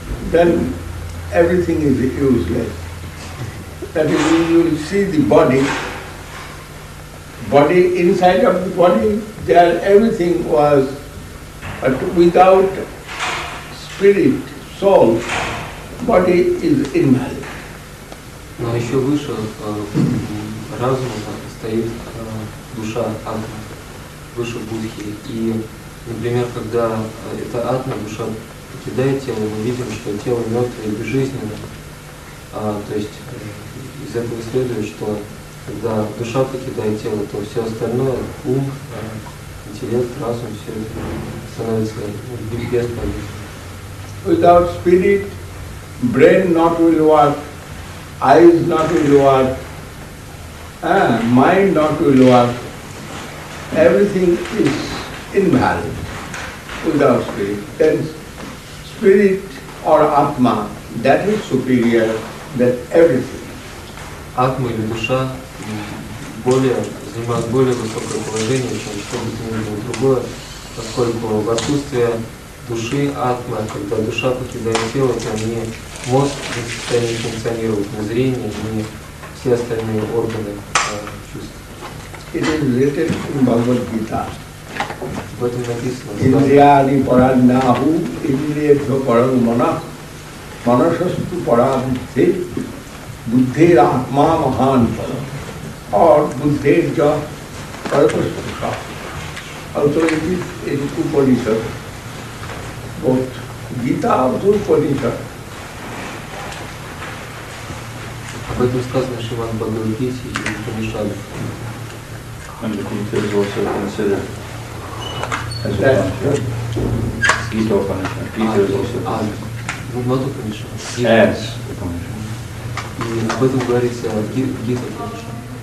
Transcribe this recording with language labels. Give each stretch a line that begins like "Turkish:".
English: Then everything is useless. That is, you will see the body. Body, inside of the body, there everything was, but without spirit, soul, body is invalid.
Russian: Но еще выше разума стоит душа атма, выше будхи. И, например, когда это атма, душа покидает тело, мы видим, что тело мертвое и безжизненное. То есть из этого следует, что когда душа покидает тело, то все остальное, ум, интеллект, разум, все это становится бесполезным.
English: Without spirit, brain not will work, eyes not will work, mind not will work. Everything is invalid without spirit. Then spirit or atma, that is superior than everything.
Russian: Atma или душа более занимает более высокое положение, чем что бы то ни было другое, поскольку в отсутствие души, атма, когда душа покидает тело, то ни мозг не в состоянии функционировать, ни зрение, ни все остальные органы чувств.
English: It is written in Bhagavad Gita.
Russian: В этом написано.
Sanskrit: Индриади параннаху, индриядхо паран мана, манашасту парабдхи, буддхир атма махан паран.
English: Or buddhir ja parapasputa. Also it is in Upanishad. But Gita also Upanishad.
Russian: Об этом сказано Шриман Бхагавад Гите и Упанишад.
English: And the Gita is also considered as Gita Upanishad. Gita is also considered. Not Upanishad. As Upanishad.
Russian: И об этом говорится Гита Упанишад.